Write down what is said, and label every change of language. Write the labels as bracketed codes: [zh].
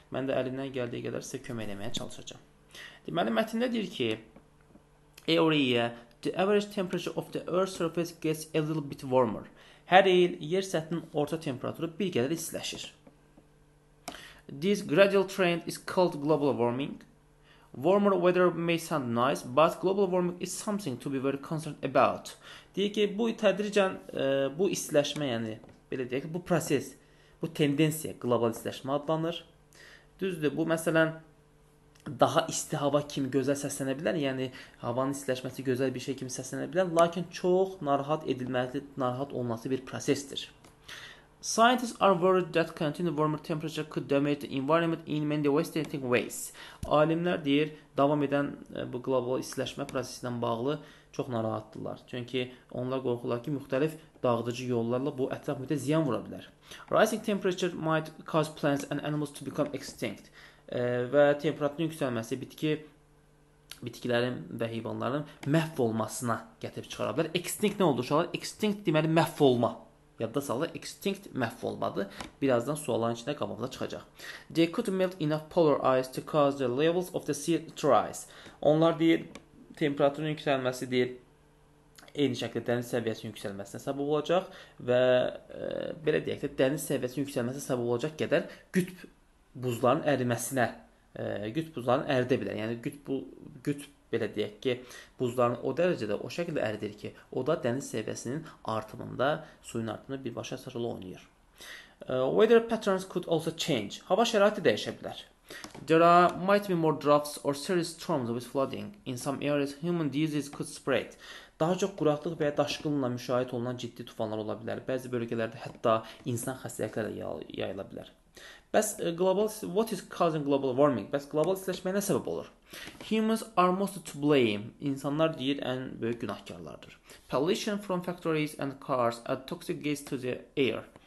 [az] Mən də əlindən gəldiyi qədər sizə kömək eləməyə çalışacağam. Deməli, mətində deyir ki, [en] Eoria, the average temperature of the Earth's surface gets a little bit warmer. [az] Hər il yer səthinin orta temperaturu bir qədər istiləşir. [en] This gradual trend is called global warming. Warmer weather may sound nice, but global warming is something to be very concerned about. [az] Deyir ki, bu tədricən bu istiləşmə, yəni belə deyək ki, bu proses, bu tendensiya qlobal istiləşmə adlanır. Düzdür, bu məsələn daha isti hava kimi gözəl səslənə bilər, yəni havanın istiləşməsi gözəl bir şey kimi səslənə bilər, lakin çox narahat edilməli, narahat olması bir prosesdir. [en] Scientists are worried that continued warmer temperature could damage the environment in many devastating ways. [az] Alimlər deyir, davam edən bu qlobal istiləşmə prosesindən bağlı çox narahatdırlar. Çünki onlar qorxurlar ki, müxtəlif dağıdıcı yollarla bu ətraf mühitə ziyan vura bilər. [en] Rising temperature might cause plants and animals to become extinct. [az] Və temperaturun yüksəlməsi bitkilərin və heyvanların məhv olmasına gətirib çıxara bilər. Extinct nə oldu uşaqlar? Extinct deməli məhv olma. Yadda salıq, extinct məhv olmadı. Birazdan sualların içində qabağımıza çıxacaq. [en] They could melt enough polar ice to cause the levels of the sea to rise. [az] Onlar deyir, temperaturun yüksəlməsi deyir, eyni şəkildə dəniz səviyyəsinin yüksəlməsinə səbəb olacaq və belə deyək də, dəniz səviyyəsinin yüksəlməsinə səbəb olacaq qədər qütb buzların əriməsinə, qütb buzların əridə bilər. Yəni, qütb belə deyək ki, buzların o dərəcədə o şəkildə əridir ki, o da dəniz səviyyəsinin artımında, suyun artımında birbaşa əsas rolu oynayır. [en] Weather patterns could also change. [az] Hava şəraiti dəyişə bilər. [en] There are, might be more droughts or serious storms with flooding. In some areas, human disease could spread. [az] Daha çox quraqlıq və ya daşqınla müşahidə olunan ciddi tufanlar ola bilər. Bəzi bölgələrdə hətta insan xəstəlikləri də yayıla bilər. Bəs global [en] what is causing global warming? [az] Bəs global istiləşməyə nə səbəb olur? [en] Humans are most to blame. [az] İnsanlar deyir ən böyük günahkarlardır. [en] Pollution from factories and cars add toxic gas to the air.